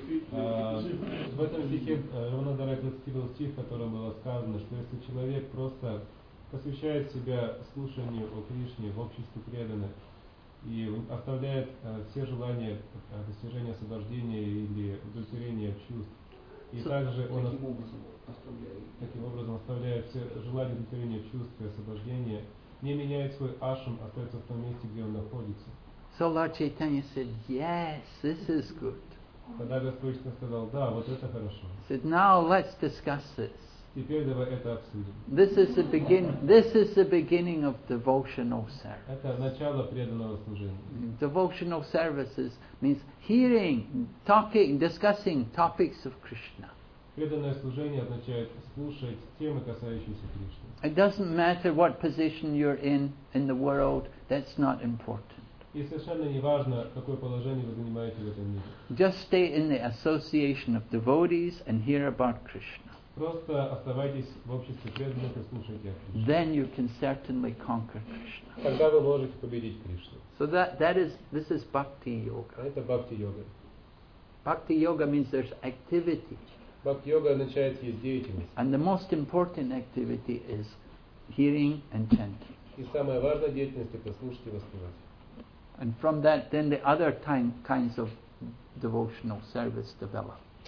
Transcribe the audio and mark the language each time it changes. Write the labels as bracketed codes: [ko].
[ru] В этом стихе Рамананда Рай процитировал стих, в котором было сказано, что если человек просто посвящает себя слушанию о Кришне в обществе преданных и оставляет все желания достижения освобождения или удовлетворения чувств. И также он таким образом оставляет все желания удовлетворения чувств и освобождения, не меняет свой ашрам, остается в том месте, где он находится. [en] So Lord Chaitanya said, yes, this is good. [ru] Тогда Господь Чайтанья сказал, да, вот это хорошо. [en] Said, now let's discuss this. [ru] Теперь давай это обсудим. [en] This is the beginning of devotional service. [ru] Это начало преданного служения. [en] Devotional services means hearing, talking, discussing topics of Krishna. [ru] Преданное служение означает слушать темы, касающиеся Кришны. [en] It doesn't matter what position you're in the world, that's not important. [ru] И совершенно не важно, какое положение вы занимаете в этом мире. [en] Just stay in the association of devotees and hear about Krishna. [ru] Просто оставайтесь в обществе преданных и слушайте о Кришне. [en] Then you can certainly conquer Krishna. [ru] Тогда вы можете победить Кришну. [en] So this is bhakti yoga. [ru] А это бхакти йога. [en] Bhakti yoga means there's activity. [ru] Бхакти йога означает есть деятельность. [en] And the most important activity is hearing and chanting. [ru] И самая важная деятельность это слушать и воспевать. [en] And from that then the other time kinds of devotional service develop.